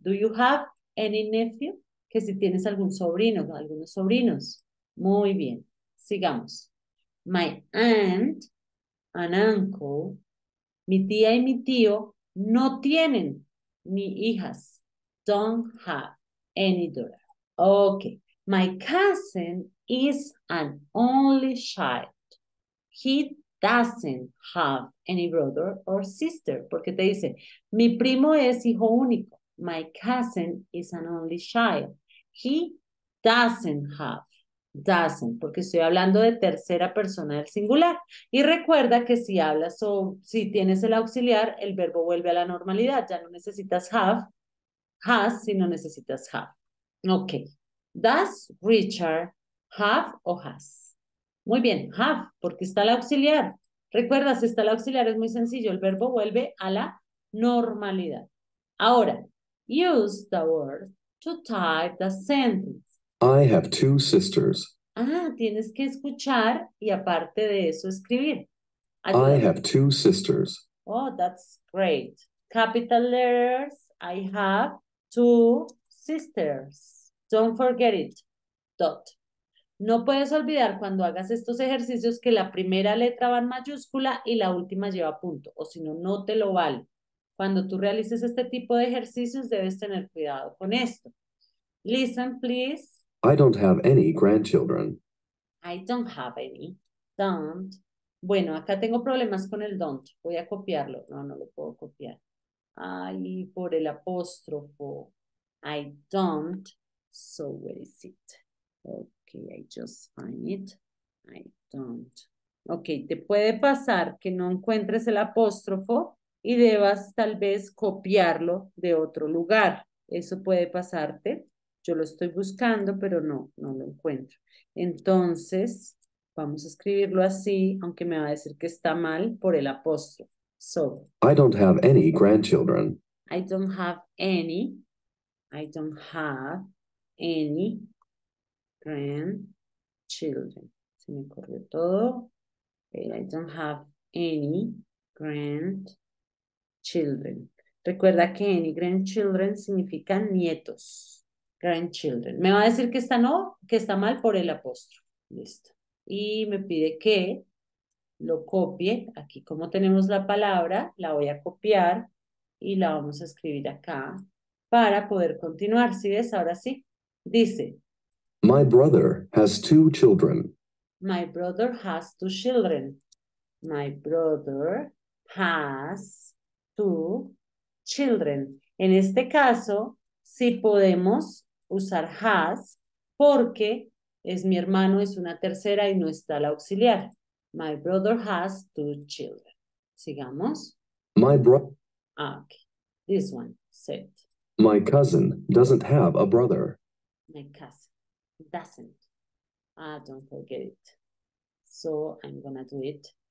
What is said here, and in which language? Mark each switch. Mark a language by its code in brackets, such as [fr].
[en] Do you have any nephew? [es] Que si tienes algún sobrino, algunos sobrinos. Muy bien, sigamos. [en] My aunt and uncle, [es] mi tía y mi tío, no tienen ni hijas. [en] Don't have any daughter. Okay. My cousin is an only child. He doesn't have any brother or sister. [es] Porque te dice, mi primo es hijo único. [en] My cousin is an only child. He doesn't have. Doesn't. [es] Porque estoy hablando de tercera persona del singular. Y recuerda que si hablas o si tienes el auxiliar, el verbo vuelve a la normalidad. Ya no necesitas have, has, sino necesitas have. Ok. [en] Does Richard have [es] o has? Muy bien, have, porque está el auxiliar. Recuerda, si está el auxiliar es muy sencillo, el verbo vuelve a la normalidad. [en] Ahora, use the word to type the sentence. I have two sisters. [es] Tienes que escuchar y aparte de eso escribir. Ayúdame. [en] I have two sisters. Oh, that's great. Capital letters, I have two sisters. Don't forget it. Dot. [es] No puedes olvidar cuando hagas estos ejercicios que la primera letra va en mayúscula y la última lleva punto, o si no, no te lo vale. Cuando tú realices este tipo de ejercicios, debes tener cuidado con esto. [en] Listen, please. I don't have any grandchildren. I don't have any. Don't. [es] Bueno, acá tengo problemas con el don't. Voy a copiarlo. No, no lo puedo copiar. Ay, por el apóstrofo. [en] I don't. So, where is it? Okay, I just find it. I don't. [es] Okay, te puede pasar que no encuentres el apóstrofo y debas tal vez copiarlo de otro lugar. Eso puede pasarte. Yo lo estoy buscando, pero no lo encuentro. Entonces, vamos a escribirlo así, aunque me va a decir que está mal por el apóstrofo. [en] So, I don't have any grandchildren. I don't have any. I don't have. Any grandchildren. [es] Se me corrió todo. [en] Okay, I don't have any grandchildren. [es] Recuerda que any grandchildren significa nietos. Grandchildren. Me va a decir que está no, que está mal por el apóstrofe. Listo. Y me pide que lo copie. Aquí como tenemos la palabra, la voy a copiar y la vamos a escribir acá para poder continuar. ¿Sí ves? Ahora sí. Dice, [en] my brother has two children. My brother has two children. My brother has two children. [es] En este caso, sí podemos usar has porque es mi hermano, es una tercera y no está la auxiliar. [en] My brother has two children. [es] Sigamos. [en] My bro. Okay. This one. Set. My cousin doesn't have a brother. My cousin doesn't. Don't forget it. So I'm gonna do it.